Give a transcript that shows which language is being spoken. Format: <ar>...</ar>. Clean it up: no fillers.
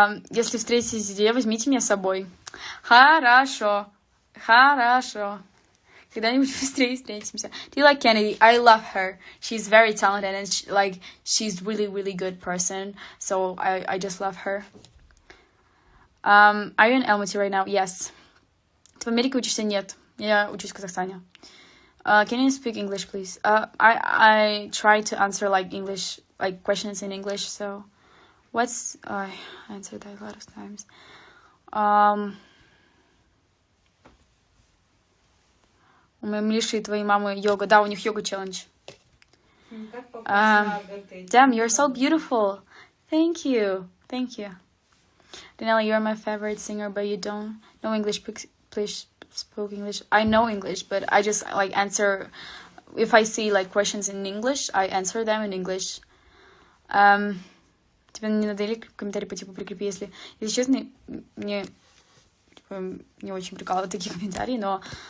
<ru>Если встретитесь где, возьмите меня с собой. Хорошо. Хорошо. Когда-нибудь быстрее встретимся.</ru> <en>Do you like Kennedy? I love her. She's very talented and she, like, she's really, really good person. So I just love her. Are you in Almaty right now? Yes.</en> <ru>Ты в Америке учишься? Нет. Я учусь в Казахстане.</ru> <en>Can you speak English, please? I try to answer like English, like questions in English, so... What's... I answered that a lot of times.</en> <ru>У моей Милиши и твоей мамы йога. Да, у них йога-челлендж.</ru> <en>Damn, you're so beautiful. Thank you. Thank you. Daneliya, you're my favorite singer, but you don't know English. Please spoke English. I know English, but I just, like, answer... If I see, like, questions in English, I answer them in English.</en> <ru>Тебе не надоели комментарии по типу «прикрепи», если... Если честно, мне типа, не очень прикалывают такие комментарии, но...</ru>